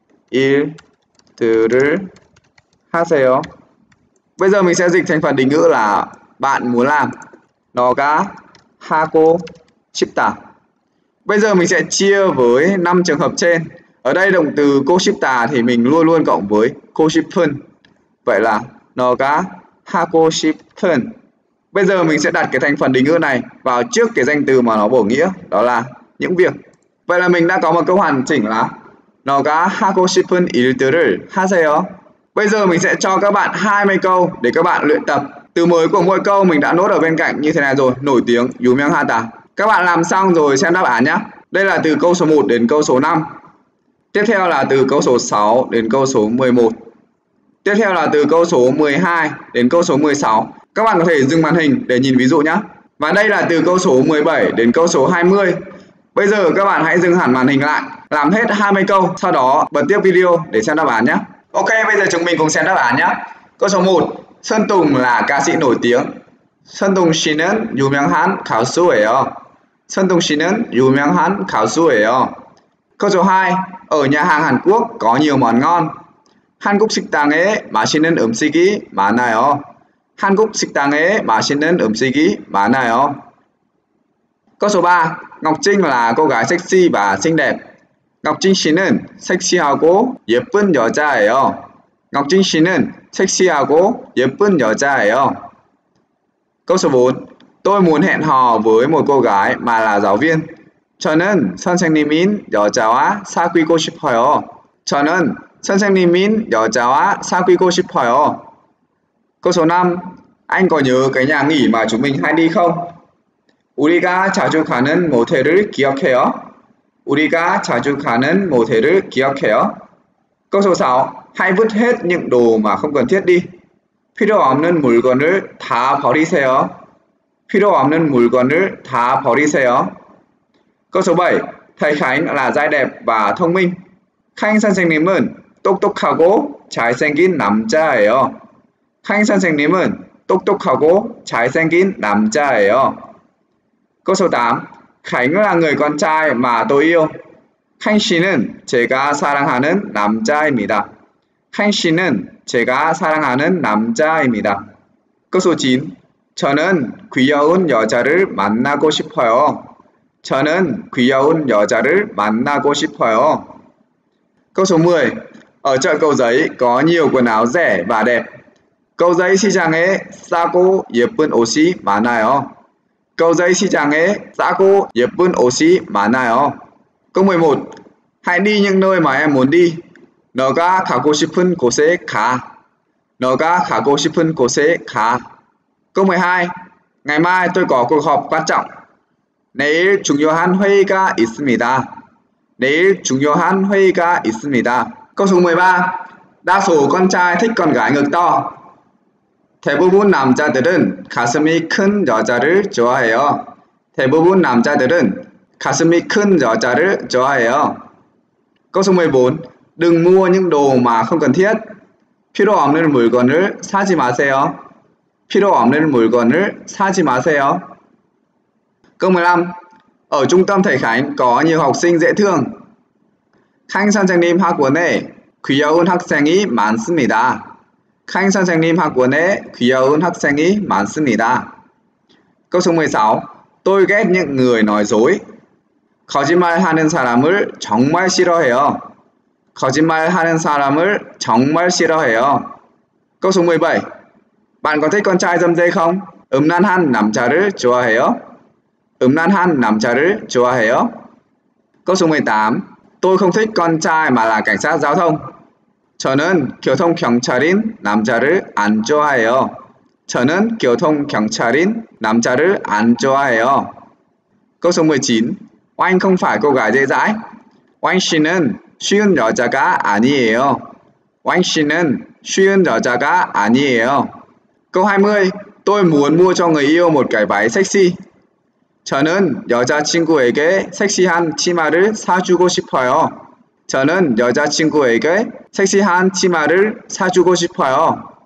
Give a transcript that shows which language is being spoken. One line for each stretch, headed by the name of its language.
Korean: 일들을 하세요.
Vietnamese: Bây giờ mình sẽ dịch thành phần định ngữ là bạn muốn làm.
Korean: 너가 하고 싶다.
Vietnamese: Bây giờ mình sẽ chia với năm trường hợp trên. Ở đây động từ 고 싶다 thì mình luôn luôn cộng với 고 싶은. Vậy là
Korean: 너가 하고 싶은.
Vietnamese: Bây giờ mình sẽ đặt cái thành phần định ngữ này vào trước cái danh từ mà nó bổ nghĩa, đó là những việc. Vậy là mình đã có một câu hoàn chỉnh là
Korean: 너가 하고 싶은 일들을 하세요.
Vietnamese: Bây giờ mình sẽ cho các bạn 20 câu để các bạn luyện tập. Từ mới của mỗi câu mình đã nốt ở bên cạnh như thế này rồi, nổi tiếng 유명하다. Các bạn làm xong rồi xem đáp án nhé. Đây là từ câu số 1 đến câu số 5. Tiếp theo là từ câu số 6 đến câu số 11. Tiếp theo là từ câu số 12 đến câu số 16. Các bạn có thể dừng màn hình để nhìn ví dụ nhé. Và đây là từ câu số 17 đến câu số 20. Bây giờ các bạn hãy dừng hẳn màn hình lại, làm hết 20 câu, sau đó bật tiếp video để xem đáp án nhé. Ok, bây giờ chúng mình cùng xem đáp án nhé. Câu số 1, Sơn Tùng là ca sĩ nổi tiếng.
Korean: Sơn Tùng 씨는 유명한 가수예요. Sơn Tùng 씨는 유명한 가수예요.
Vietnamese: Câu số 2, ở nhà hàng Hàn Quốc có nhiều món ngon.
Korean: 한국 식당에 맛있는 음식이 많아요. 한국 식당에 맛있는 음식이 많아요.
Vietnamese: Câu số 3, Ngọc Trinh là cô gái sexy và xinh đẹp.
Korean: Ngọc Trinh 씨는 섹시하고 예쁜 여자예요. Ngọc Trinh 씨는 섹시하고 예쁜 여자예요.
Vietnamese: Câu số 4, tôi muốn hẹn hò với một cô gái mà là giáo viên.
Korean: 저는 선생님인 여자와 사귀고 싶어요. 저는 선생님인 여자와 사귀고 싶어요.
Vietnamese: Câu số 5, anh có nhớ cái nhà nghỉ mà chúng mình hay đi không?
Korean: 우리가 자주 가는 모텔을 기억해요. 우리가 자주 가는 모텔을 기억해요.
Vietnamese: Câu số 6, hãy vứt hết những đồ mà không cần thiết đi.
Korean: 필요 없는 물건을 다 버리세요. 필요 없는 물건을 다 버리세요.
Vietnamese: Câu số 7, thầy Khánh là trai đẹp và thông minh.
Korean: Khánh 선생님은 똑똑하고 잘생긴 남자예요. Khánh 선생님은 똑똑하고 잘생긴 남자예요.
Vietnamese: Câu số 8, Khánh là người con trai mà tôi yêu.
Korean: Khánh 씨는 제가 사랑하는 남자입니다. Khánh 씨는 제가 사랑하는 남자입니다.
Vietnamese: Câu số 9,
Korean: 저는 귀여운 여자를 만나고 싶어요. 저는 귀여운 여자를 만나고 싶어요.
Vietnamese: Câu số 10, ở chợ Cầu Giấy có nhiều quần áo rẻ và đẹp.
Korean: Cầu Giấy 시장에 싸고 예쁜 옷이 많아요. Cầu Giấy 시장에 싸고 예쁜 옷이 많아요.
Vietnamese: Câu 11, hãy đi những nơi mà em muốn đi.
Korean: 너가 가고 싶은 곳에 가. 너가 가고 싶은 곳에 가.
Vietnamese: Câu 12, ngày mai tôi có cuộc họp quan trọng.
Korean: 내일 중요한 회의가 있습니다. 내일 중요한 회의가 있습니다.
Vietnamese: Câu số 13, đa số con trai thích con gái ngực to.
Korean: 대부분 남자들은 가슴이 큰 여자를 좋아해요. 대부분 남자들은 가슴이 큰 여자를 좋아해요.
Vietnamese: Câu số 14, đừng mua những đồ mà không cần thiết.
Korean: 필요 없는 물건을 사지 마세요. 필요 없는 물건을 사지 마세요.
Vietnamese: Câu 15, ở trung tâm thầy Khánh có nhiều học sinh dễ thương.
Korean: Khánh 선생님 학원에 귀여운 학생이 많습니다. Khánh 선생님 학원에 귀여운 학생이 많습니다.
Vietnamese: Câu số 16, tôi ghét những người nói dối.
Korean: 거짓말하는 사람을 정말 싫어해요. 거짓말하는 사람을 정말 싫어해요.
Vietnamese: Câu số 17, bạn có thích con trai dâm dê không?
Korean: 음란한 남자를 좋아해요. 음란한 남자를 좋아해요.
Vietnamese: Câu số 18, tôi không thích con trai mà là cảnh sát giao thông.
Korean: 저는 교통 경찰인 남자를 안 좋아해요. 저는 교통 경찰인 남자를 안 좋아해요.
Vietnamese: Câu số 19, Oanh không phải cô gái dễ dãi.
Korean: Oanh 씨는 쉬운 여자가 아니에요. Oanh 씨는 쉬운 여자가 아니에요.
Vietnamese: Câu 20, tôi muốn mua cho người yêu một cái váy sexy.
Korean: 저는 여자친구에게 섹시한 치마를 사주고 싶어요. 저는 여자친구에게 섹시한 치마를 사주고 싶어요.